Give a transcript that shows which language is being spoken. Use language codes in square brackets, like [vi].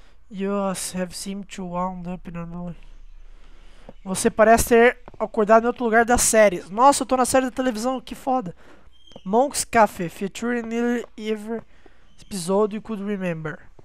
[en] You have seemed to wound up in another. [pt] Você parece ter acordado em outro lugar das séries. Nossa, eu tô na série da televisão, que foda. [en] Monk's Cafe, featuring nearly every episode you could remember.